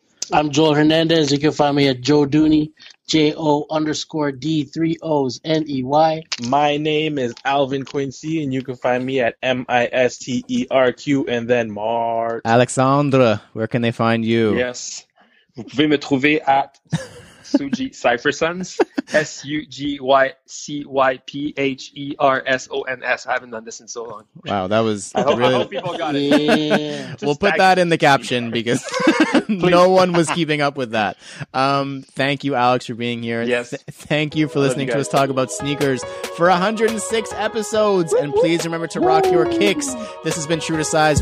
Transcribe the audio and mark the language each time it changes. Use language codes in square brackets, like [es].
[en] I'm Joel Hernandez. You can find me at Joe Dooney, JO_D3ONEY. My name is Alvin Quincy, and you can find me at MISTERQ and then Mark. Alexandre, where can they find you? Yes. [fr] Vous pouvez me trouver at Suji Cypher Sons, SUGYCYPHERSONS. [en] I haven't done this in so long. Wow, that was really... I hope people got it. Yeah. We'll put that in the caption because no one was keeping up with that. Thank you, Alex, for being here. Yes. Thank you for listening to us talk about sneakers for 106 episodes. And please remember to rock your kicks. This has been True to Size.